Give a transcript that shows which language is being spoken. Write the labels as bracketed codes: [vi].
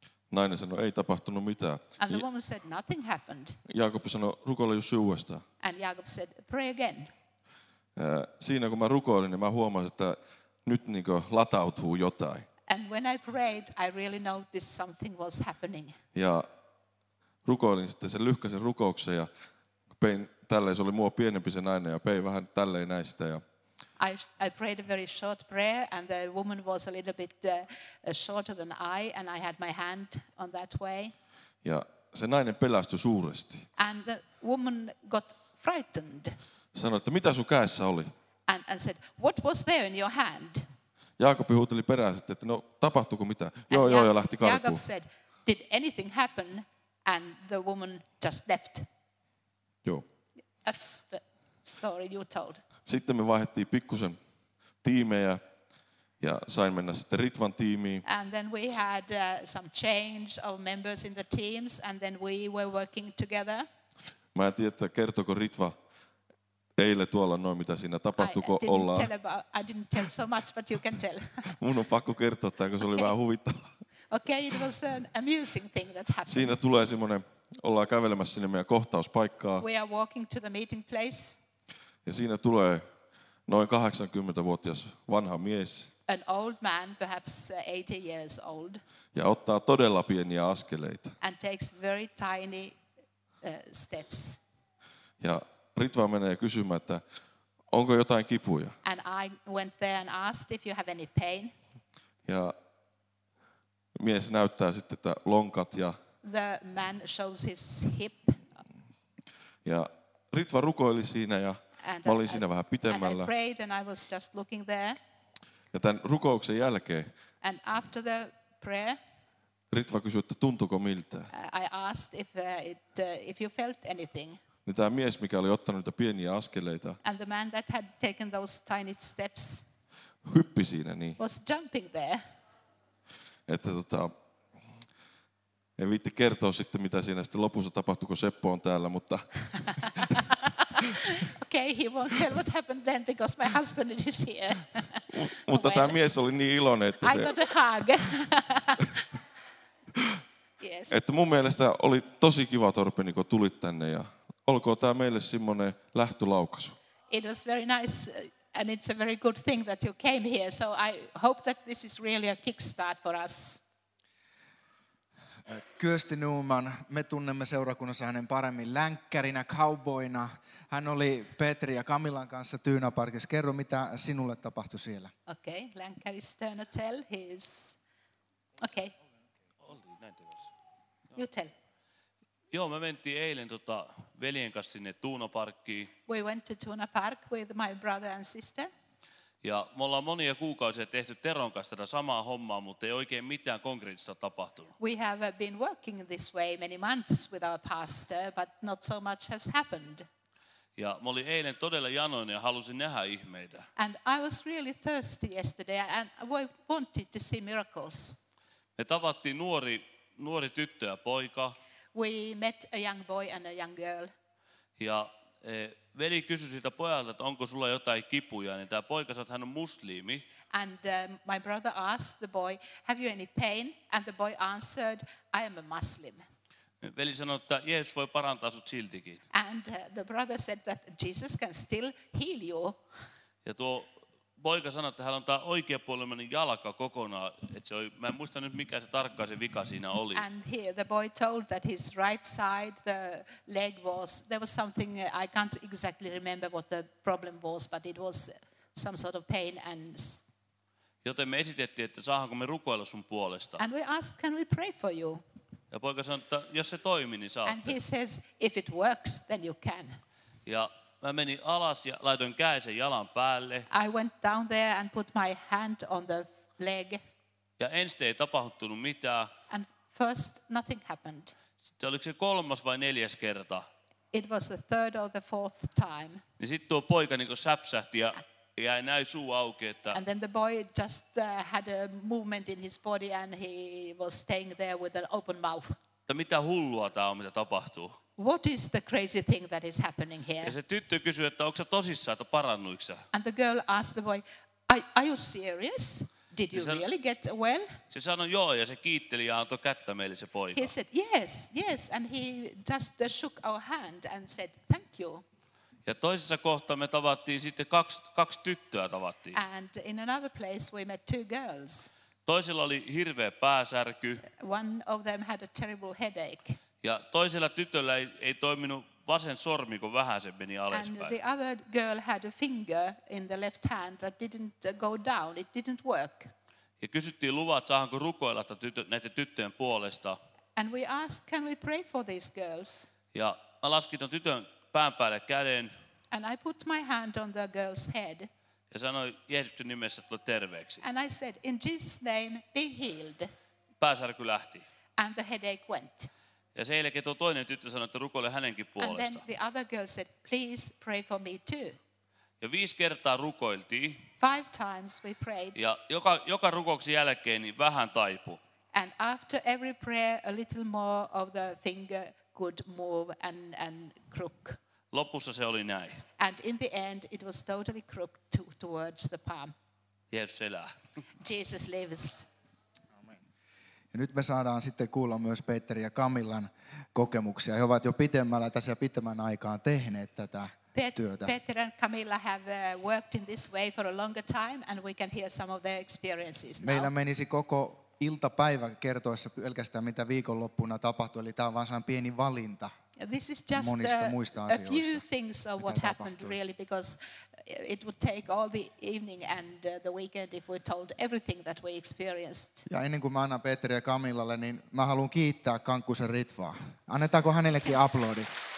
[fi] Nainen sanoi, ei tapahtunut mitään. [en] And the woman said, nothing happened. [fi] Jaakob sanoi, rukoile Jussi uudestaan. [en] And Jacob said, pray again. [fi] Siinä kun mä rukoilin, niin mä huomasin, että nyt niinku latautuu jotain. [en] And when I prayed, I really noticed something was happening. [fi] Ja rukoilin sitten sen lyhkäisen rukouksen ja pein tälleen, se oli mua pienempi se nainen ja pein vähän tälleen näistä ja [en] I prayed a very short prayer and the woman was a little bit shorter than I and I had my hand on that way. [fi] Ja se nainen pelästyi suuresti. [en] And the woman got frightened. [fi] Sanoi, että mitä sun kädessä oli? [en] And said, what was there in your hand? [fi] Jaakob huuteli perään sitten, että no tapahtuuko mitä? Joo, lähti karkuun. [en] Jacob said, did anything happen? And the woman just left. [fi] Joo. [en] That's the story you told. [fi] Sitten me vaihdettiin pikkusen tiimejä ja sain mennä sitten Ritvan tiimiin. [en] And then we had some change of members in the teams and then we were working together. [fi] Mä en tiedä, kertoiko Ritva eilen tuolla noin, mitä siinä tapahtuiko olla. [en] I didn't tell so much, but you can tell. [fi] Mun on pakko kertoa tämä, kun se oli vähän huvittavaa. [en] Okay, it was an amusing thing that happened. [fi] Siinä tulee semmoinen, ollaan kävelemässä sinne meidän kohtauspaikkaa. [en] We are walking to the meeting place. [fi] Ja siinä tulee noin 80-vuotias vanha mies. [en] An old man, perhaps 80 years old. [fi] Ja ottaa todella pieniä askeleita. [en] And takes very tiny steps. [fi] Ja Ritva menee kysymään, että onko jotain kipuja. [en] And I went there and asked if you have any pain. [fi] Ja mies näyttää sitten, että lonkat ja... [en] The man shows his hip. [fi] Ja Ritva rukoili siinä ja [en] and [fi] mä olin siinä vähän pitemmällä. [en] I prayed and I was just looking there. [fi] Ja tämän rukouksen jälkeen... [en] And after the prayer... [fi] Ritva kysyi, että tuntuko miltä. [en] I asked if you felt anything. [fi] Niin tämä mies, mikä oli ottanut niitä pieniä askeleita, [en] and the man that had taken those tiny steps, [fi] hyppi siinä niin, [en] was jumping there. [fi] Että En viitti kertoa sitten, mitä siinä sitten lopussa tapahtui, kun Seppo on täällä, mutta... [en] Okay, he won't tell what happened then because my husband is here. [fi] Mutta tämä mies oli niin iloinen, että [en] I got a hug. Yes. [fi] Että mun mielestä oli tosi kiva, Torpeni, kun tulit tänne ja olkoon tämä meille semmoinen lähtölaukaisu. [en] It was very nice and it's a very good thing that you came here. So I hope that this is really a kickstart for us. [fi] Kyösti Newman, me tunnemme seurakunnassa hänen paremmin länkkärinä, cowboyina. Hän oli Petri ja Kamilan kanssa Tyynäparkissa. Kerro, mitä sinulle tapahtui siellä. [en] Okay, länkkäri Stöna tell his. Okay. You tell. [fi] Joo, me mentiin eilen veljen kanssa sinne Tuunaparkkiin. [en] We went to Tuna Park with my brother and sister. [fi] Ja me ollaan monia kuukausia tehty Teron kanssa tätä samaa hommaa, mutta ei oikein mitään konkreettista tapahtunut. [en] We have been working this way many months with our pastor, but not so much has happened. [fi] Ja me olin eilen todella janoinen ja halusin nähdä ihmeitä. [en] And I was really thirsty yesterday and I wanted to see miracles. [fi] Me tavattiin nuori tyttö ja poika. [en] We met a young boy and a young girl. [fi] Ja veli kysyi siltä pojalta, että onko sulla jotain kipuja, niin tämä poika sanoi, että hän on muslimi. [en] And my brother asked the boy, have you any pain? And the boy answered, I am a Muslim. [fi] Veli sanoi, että Jeesus voi parantaa sut siltikin. [en] And the brother said that Jesus can still heal you. [fi] Ja tuo poika sanoi, että hän on tämä oikeapuolinen jalka kokonaan. Että se oli, mä en muista nyt, mikä se tarkkaan se vika siinä oli. [en] And here the boy told that his right side, the leg was, there was something, I can't exactly remember what the problem was, but it was some sort of pain. And... [fi] Joten me esitettiin, että saadaanko me rukoilla sun puolesta. [en] And we asked, can we pray for you? [fi] Ja poika sanoi, että jos se toimii, niin saatte. [en] And he says, if it works, then you can. [fi] Ja mä menin alas ja laitoin käden sen jalan päälle. [en] I went down there and put my hand on the leg. [fi] Ja ensin ei tapahtunut mitään. [en] And first nothing happened. [fi] Sitten oliko se kolmas vai neljäs kerta? [en] It was the third or the fourth time. [fi] Niin sitten tuo poika niin kuin säpsähti ja jäi näin suu auki, että... [en] And then the boy just had a movement in his body and he was staying there with an open mouth. [fi] Ja mitä hullua tää on, mitä tapahtuu? [en] What is the crazy thing that is happening here? [fi] Ja se tyttö kysyi, että onko sä tosissaan, että parannuiksä? [en] And the girl asked the boy, are you serious? Did you really get well? [fi] Se sanoi joo ja se kiitteli ja antoi kättä meille se poika. [en] He said yes, yes, and he just shook our hand and said thank you. [fi] Ja toisessa kohtaa me tavattiin sitten kaksi tyttöä tavattiin. [en] And in another place we met two girls. [fi] Toisella oli hirveä pääsärky. [en] One of them had a terrible headache. [fi] Ja toisella tytöllä ei toiminut vasen sormi, kun vähän se meni alaspäin. [en] And the other girl had a finger in the left hand that didn't go down. It didn't work. [fi] Ja kysyttiin luvat, saahanko rukoilla näiden tyttöjen puolesta. [en] And we asked, can we pray for these girls? [fi] Ja mä laskin ton tytön pään päälle käden. [en] And I put my hand on the girl's head. [fi] Ja sanoi Jeesuksen nimessä, että tulet terveeksi. [en] And I said, in Jesus' name, be healed. [fi] Pääsärky lähti. [en] And the headache went. [fi] Ja sen jälkeen tuo toinen tyttö sanoi, että rukoile hänenkin puolesta. [en] And then the other girl said, please pray for me too. [fi] Ja viisi kertaa rukoiltiin. [en] Five times we prayed. [fi] Ja joka rukouksen jälkeen niin vähän taipu. [en] And after every prayer, a little more of the finger could move and crook. [fi] Lopussa se oli näin. [en] And in the end, it was totally crooked towards the palm. [fi] Jeesus elää. [en] Jesus lives. [fi] Ja nyt me saadaan sitten kuulla myös Petteri ja Kamillan kokemuksia. He ovat jo pitemmällä tässä ja pitemmän aikaan tehneet tätä työtä. [en] Petteri ja Kamilla have worked in this way for a longer time and we can hear some of their experiences now. [fi] Meillä menisi koko iltapäivä kertoessa pelkästään mitä viikonloppuna tapahtui, eli tämä on vain pieni valinta. [en] This is just a few things of what happened really because it would take all the evening and the weekend if we told everything that we experienced. [fi] Ja ennen kuin mä annan Petteri ja Kamillalle, niin mä haluan kiittää Kankkusen Ritvaa. Annetaanko hänellekin aplodit?